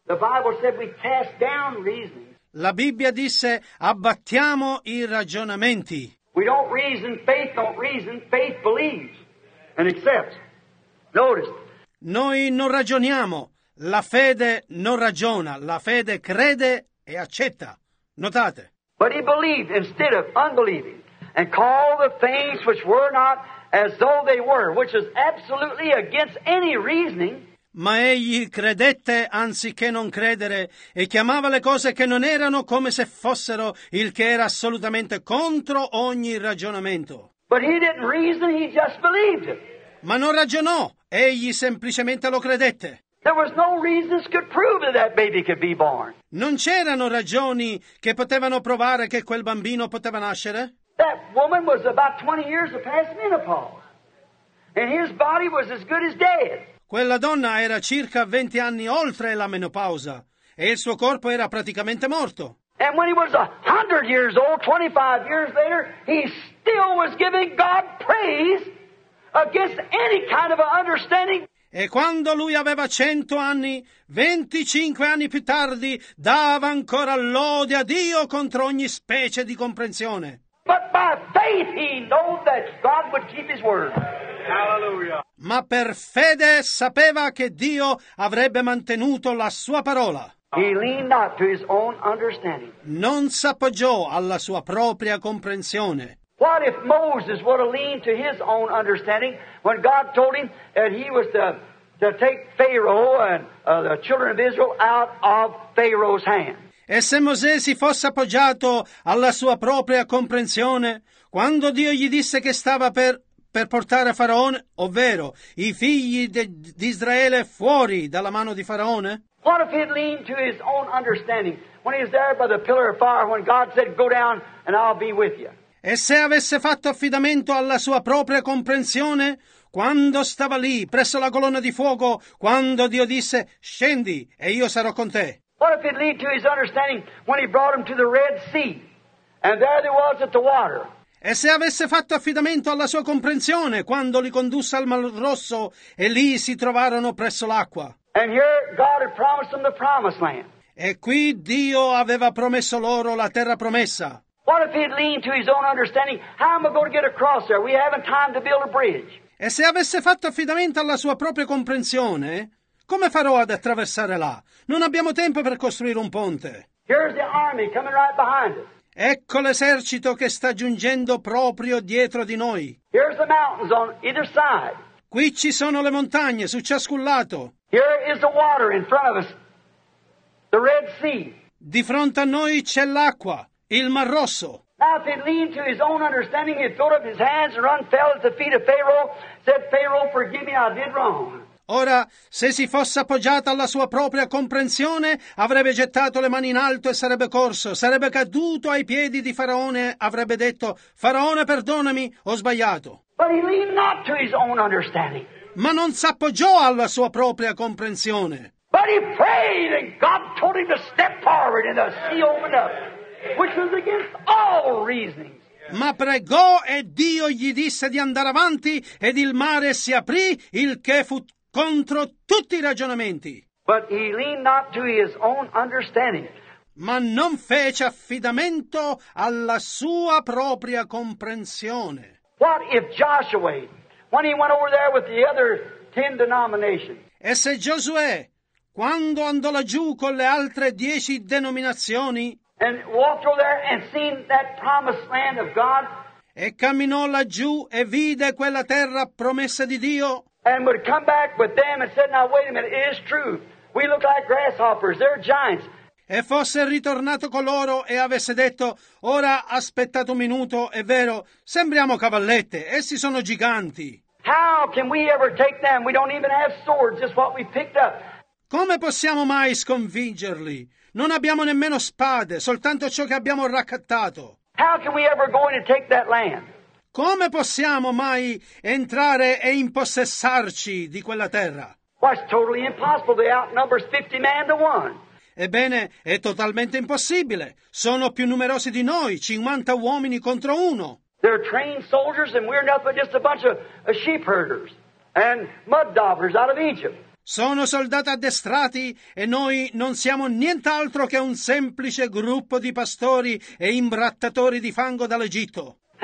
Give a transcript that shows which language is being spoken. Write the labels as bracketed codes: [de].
[en] The Bible said we cast down reasoning. [it] La Bibbia disse abbattiamo i ragionamenti. [en] We don't reason, faith don't reason, faith believes and accepts. Notice. [it] Noi non ragioniamo, la fede non ragiona, la fede crede e accetta. Notate. [en] But he believed instead of unbelieving and called the things which were not as though they were, which is absolutely against any reasoning. [it] Ma egli credette anziché non credere e chiamava le cose che non erano come se fossero, il che era assolutamente contro ogni ragionamento. [en] But he didn't reason, he just believed it. [it] Ma non ragionò, egli semplicemente lo credette. [en] There was no reasons could prove that baby could be born. [it] Non c'erano ragioni che potevano provare che quel bambino poteva nascere. [en] That woman was about 20 years past menopause and his body was as good as dead. [it] Quella donna era circa 20 anni oltre la menopausa e il suo corpo era praticamente morto. [en] And when he was 100 years old, 25 years later, he still was giving God praise against any kind of an understanding. [it] E quando lui aveva 100 anni, 25 anni più tardi, dava ancora lode a Dio contro ogni specie di comprensione. [en] But by faith he knew that God would keep his word. Hallelujah. [it] Ma per fede sapeva che Dio avrebbe mantenuto la sua parola. [en] He leaned not to his own understanding. [it] Non s'appoggiò alla sua propria comprensione. [en] What if Moses would have leaned to his own understanding when God told him that he was to take Pharaoh and the children of Israel out of Pharaoh's hand? [it] E se Mosè si fosse appoggiato alla sua propria comprensione quando Dio gli disse che stava per portare Faraone, ovvero i figli di Israele fuori dalla mano di Faraone? [en] What if he leaned to his own understanding when he was there by the pillar of fire when God said, go down and I'll be with you? [it] E se avesse fatto affidamento alla sua propria comprensione quando stava lì presso la colonna di fuoco quando Dio disse, scendi e io sarò con te? [en] What if he leaned to his understanding when he brought him to the Red Sea and there he was at the water? [it] E se avesse fatto affidamento alla sua comprensione quando li condusse al Mar Rosso e lì si trovarono presso l'acqua? [en] And here God had promised them the promised land. [it] E qui Dio aveva promesso loro la terra promessa. [en] What if he had leaned to his own understanding? How am I going to get across there? We haven't time to build a bridge. [it] E se avesse fatto affidamento alla sua propria comprensione, come farò ad attraversare là? Non abbiamo tempo per costruire un ponte. [en] Here's the army coming right behind us. [it] Ecco l'esercito che sta giungendo proprio dietro di noi. [en] Here's the mountains on either side. [it] Qui ci sono le montagne su ciascun lato. [en] Here is the water in front of us, the Red Sea. [it] Di fronte a noi c'è l'acqua, il Mar Rosso. [en] Now if he leaned to his own understanding, he'd throw up his hands and run, fell at the feet of Pharaoh, said, Pharaoh, forgive me, I did wrong. [it] Ora, se si fosse appoggiata alla sua propria comprensione, avrebbe gettato le mani in alto e sarebbe corso, sarebbe caduto ai piedi di Faraone e avrebbe detto: Faraone, perdonami, ho sbagliato. [en] But he leaned not to his own understanding. [it] Ma non si appoggiò alla sua propria comprensione. [en] But he prayed and God told him to step forward and the sea opened up, which was against all reasoning. [it] Ma pregò e Dio gli disse di andare avanti ed il mare si aprì, il che fu contro tutti i ragionamenti. [en] But he leaned not to his own understanding. [it] Ma non fece affidamento alla sua propria comprensione. [en] What if Joshua, when he went over there with the other 10 denominations? [it] E se Giosuè, quando andò laggiù con le altre 10 denominazioni, [en] and walked over there and seen that promised land of God, [it] e camminò laggiù e vide quella terra promessa di Dio, [en] and would come back with them and said, now wait a minute, it is true, we look like grasshoppers, they're giants, [it] e fosse ritornato con loro e avesse detto: ora aspettate un minuto, è vero, sembriamo cavallette, essi sono giganti, [en] how can we ever take them, we don't even have swords, just what we picked up, [it] come possiamo mai sconfiggerli? Non abbiamo nemmeno spade, soltanto ciò che abbiamo raccattato. [en] How can we ever go in and take that land? [it] Come possiamo mai entrare e impossessarci di quella terra? [en] Well, it's totally impossible. They outnumber 50 men to one. [it] Ebbene, è totalmente impossibile. Sono più numerosi di noi, 50 uomini contro uno. [en] They're trained soldiers and we're nothing but just a bunch of sheep herders and mud daubers out of Egypt. [it] Sono soldati addestrati e noi non siamo nient'altro che un semplice gruppo di pastori e imbrattatori di fango dall'Egitto.